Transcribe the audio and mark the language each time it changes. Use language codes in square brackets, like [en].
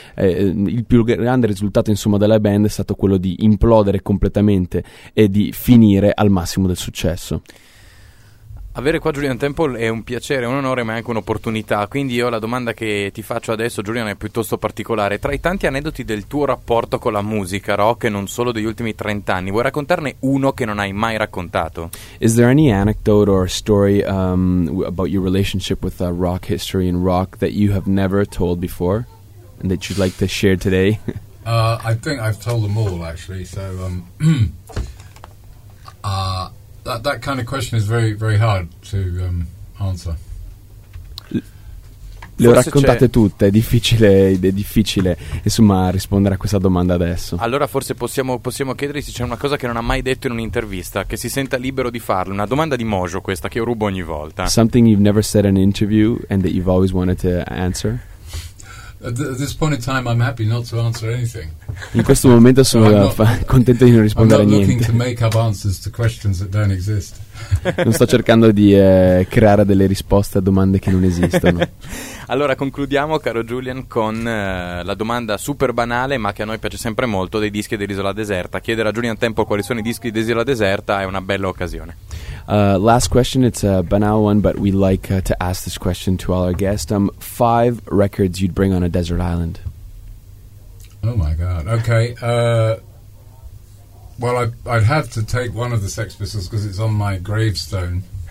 [it] Il più grande risultato, insomma, della band è stato quello di implodere completamente e di finire al massimo del successo. Avere qua Julian Temple è un piacere, un onore, ma è anche un'opportunità. Quindi io la domanda che ti faccio adesso, Julian, è piuttosto particolare. Tra i tanti aneddoti del tuo rapporto con la musica rock, e non solo degli ultimi 30 anni, vuoi raccontarne uno che non hai mai raccontato? [en] Is there any anecdote or story about your relationship with rock history and rock that you have never told before and that you'd like to share today? I think I've told them all, actually. So That kind of question is very, very hard to answer. [it] Le ho raccontate tutte, è difficile insomma rispondere a questa domanda adesso. Allora forse possiamo chiedere se c'è una cosa che non ha mai detto in un'intervista, che si senta libero di farlo. Una domanda di Mojo, questa, che io rubo ogni volta. [en] Something you've never said in an interview and that you've always wanted to answer? At this point in time I'm happy not to answer anything. [it] In questo momento sono contento di non rispondere a niente. [en] I'm not looking to make up answers to questions that don't exist. [it] Non sto cercando di creare delle risposte a domande che non esistono. Allora concludiamo, caro Julian, con la domanda super banale, ma che a noi piace sempre molto, dei dischi dell'Isola Deserta. Chiedere a Julian Temple quali sono i dischi dell'Isola Deserta è una bella occasione. [en] Last question, it's a banal one, but we like to ask this question to all our guests. Five records you'd bring on a desert island. Oh my god, okay. Well, I'd have to take one of the Sex Pistols because it's on my gravestone.